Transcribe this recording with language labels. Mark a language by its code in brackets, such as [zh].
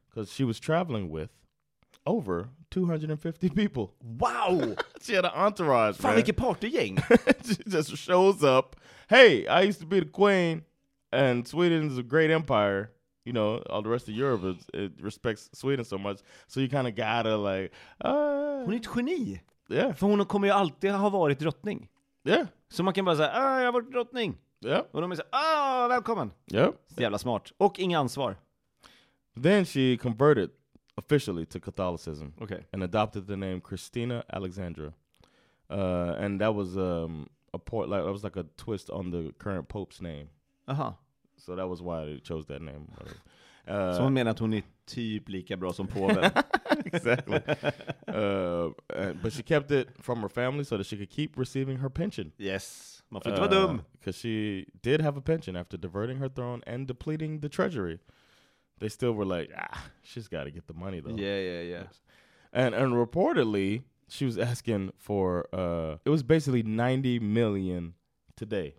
[en] Because she was traveling with over 250 people. Wow. She had an entourage. [sv] Fan, vilket partygäng. [en] She just shows up. Hey, I used to be the queen. And Sweden is a great empire. You know, all the rest of Europe it respects Sweden so much. So you kind of gotta like... [sv] Hon är ett geni. [en] Yeah. [sv] För hon kommer ju alltid ha varit drottning. [en] Yeah. [sv] Så man kan bara säga, jag har varit drottning. [en] Yeah. [sv] Och de säger, välkommen. [en] Yeah. [sv] Jävla smart. Och inga ansvar. [en] Then she converted officially to Catholicism. Okay. And adopted the name Kristina Alexandra. And that was that was like a twist on the current Pope's name. Uh-huh. So that was why they chose that name. [sv] Så hon menar att hon är typ lika bra som påven. [en] Exactly. But she kept it from her family so that she could keep receiving her pension. [sv] Yes. Man får inte vara dum. [en] Because she did have a pension after diverting her throne and depleting the treasury. They still were like, she's got to get the money though. Yeah. And reportedly, she was asking for, it was basically 90 million today.